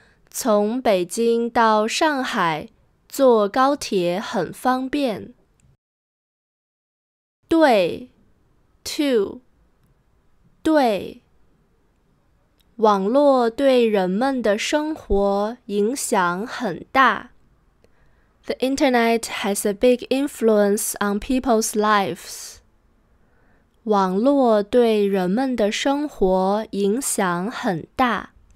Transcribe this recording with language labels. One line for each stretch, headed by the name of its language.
Chinese: 从北京到上海，坐高铁很方便。对 ,to, 对。网络对人们的生活影响很大。
English: The internet has a big influence on people's lives.
Chinese: 网络对人们的生活影响很大。